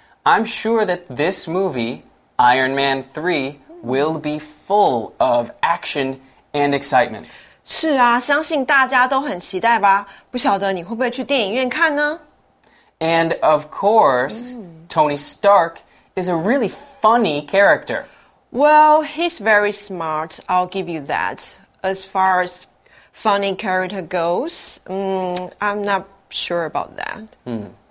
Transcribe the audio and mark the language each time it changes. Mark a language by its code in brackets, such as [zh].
[en] I'm sure that this movie, Iron Man 3, will be full of action. And excitement. [zh] 是啊，相信大家都很期待吧？不晓得你会不会去电影院看呢？ [en] And of course, Tony Stark is a really funny character. Well, he's very smart. I'll give you that. as far as funny character goes, I'm not sure about that.